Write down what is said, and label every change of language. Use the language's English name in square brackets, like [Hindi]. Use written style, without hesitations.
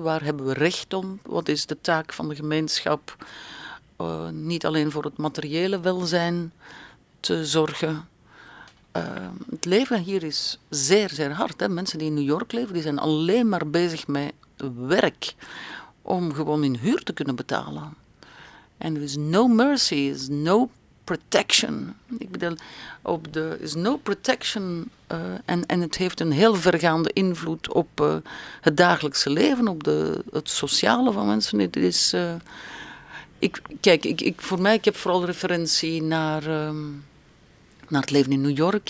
[Dutch] Waar hebben we recht op? Wat is de taak van de gemeenschap? Niet alleen voor het materiële welzijn te zorgen. Het leven hier is zeer, zeer hard, hè? Mensen die in New York leven, die zijn alleen maar bezig met werk om gewoon hun huur te kunnen betalen. [English] En there is no mercy, there is no protection. [Dutch] Ik bedoel, [English] there is no protection. [Dutch] En het heeft een heel vergaande invloed op het dagelijkse leven, op het sociale van mensen. Het is, ik heb vooral referentie naar het leven in New York.